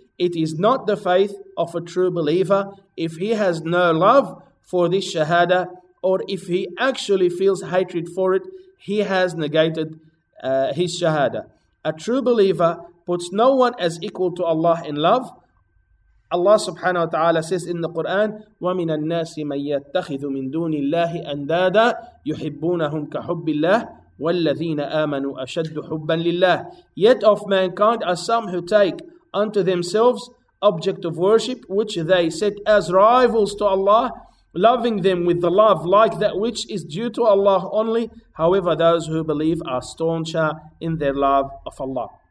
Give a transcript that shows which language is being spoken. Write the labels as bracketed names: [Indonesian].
[English] It is not the faith of a true believer if he has no love for this shahada, or if he actually feels hatred for it, he has negated his shahada. A true believer puts no one as equal to Allah in love. Allah subhanahu wa ta'ala says in the Quran, [Arabic] وَمِنَ النَّاسِ مَنْ يَتَّخِذُ مِنْ دُونِ اللَّهِ أَنْدَادًا يُحِبُّونَهُمْ كَحُبِّ اللَّهِ وَالَّذِينَ آمَنُوا أَشَدُّ حُبًّا لِلَّهِ. [English] Yet of mankind are some who take unto themselves object of worship, which they set as rivals to Allah, loving them with the love like that which is due to Allah only. However, those who believe are stauncher in their love of Allah.